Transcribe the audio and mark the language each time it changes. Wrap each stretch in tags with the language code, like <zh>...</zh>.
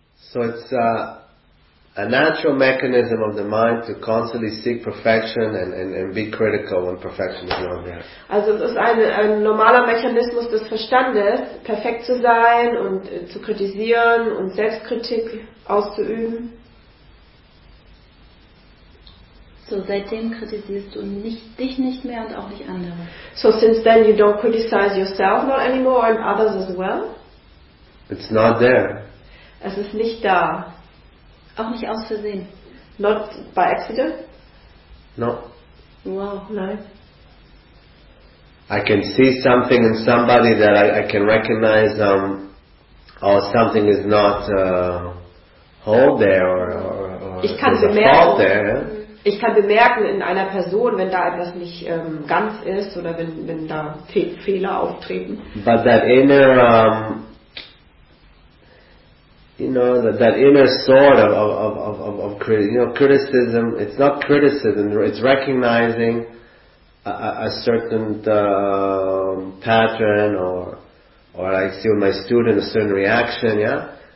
<en>So it's a natural mechanism of the mind to constantly seek perfection and be critical when perfection is not there.</en> <de>Also es ist ein normaler Mechanismus des Verstandes, perfekt zu sein und zu kritisieren und Selbstkritik auszuüben. So seitdem kritisierst du dich nicht mehr und auch nicht andere.</de> <en>So since then you don't criticize yourself not anymore and others as well? It's not there.</en> <de>Es ist nicht da. Auch nicht aus Versehen.</de> <en>Not by accident? No.</en> <de>Wow, nein.</de> <en>I can see something in somebody that I can recognize or something is not whole there or</en> <de>ich kann bemerken in einer Person, wenn da etwas nicht ganz ist oder wenn da Fehler auftreten.</de> <en>But that inner that inner sort of criticism, it's not criticism, it's recognizing a certain pattern or I see with my student a certain reaction, yeah?</en>